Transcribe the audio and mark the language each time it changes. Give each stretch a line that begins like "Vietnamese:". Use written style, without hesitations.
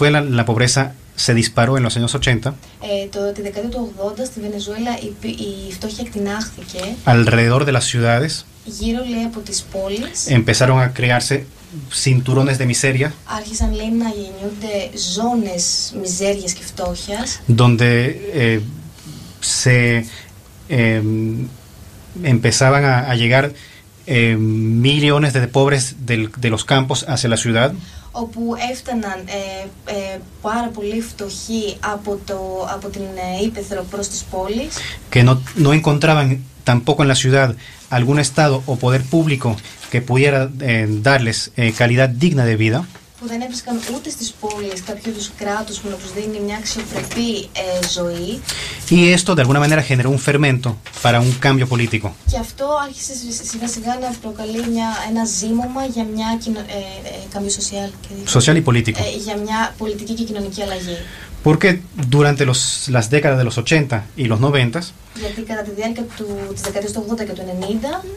Spanish: En Venezuela la pobreza se disparó en los años 80.
Greek: Τη δεκαετία του 80 στη Βενεζουέλα η φτώχεια εκτινάχθηκε.
Spanish: Alrededor de las ciudades.
Greek: Γύρω, λέει, από τις πόλεις.
Spanish: Empezaron a crearse cinturones de miseria.
Greek: Άρχισαν, λέει, να γεννιούνται ζώνες μιζέριας και φτώχειας.
Spanish: Donde se empezaban a llegar millones de pobres de los campos hacia la ciudad.
Greek: Όπου έφταναν πάρα πολύ φτωχοί από την ύπαιθρο προς τις πόλεις.
Spanish: Que no encontraban tampoco en la ciudad algún estado o poder público que pudiera darles calidad digna de vida.
Greek: που δεν έβρισκαν ούτε στις πόλεις κάποιο είδους κράτος που να τους δίνει μια αξιοπρεπή ζωή.
Spanish: Y esto de alguna manera generó un fermento para un cambio político.
Greek: Και αυτό άρχισε σιγά σιγά να προκαλεί ένα ζήμωμα για μια κάποιο social
Spanish: y político.
Greek: Για μια πολιτική και κοινωνική αλλαγή.
Spanish: Porque durante las décadas de los 80 y los 90,
Greek: γιατί κατά τη διάρκεια της δεκαετίας του 80 και του 90,